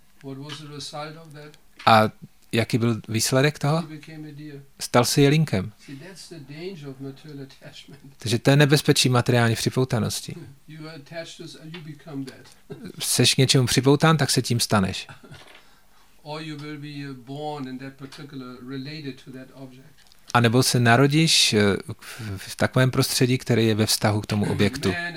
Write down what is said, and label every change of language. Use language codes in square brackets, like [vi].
[en] What was the result of that? [cs] A jaký byl výsledek toho? [en] He became a deer. [cs] Stal se jelinkem. [en] See, that's the danger of material attachment. [cs] Takže to je nebezpečí materiální připoutanosti. [en] You are attached to, you become that. [cs] Seš k něčemu připoután, tak se tím staneš. [en] Or you will be born in that particular, related to that object. [cs] A nebo se narodíš v takovém prostředí, které je ve vztahu k tomu objektu.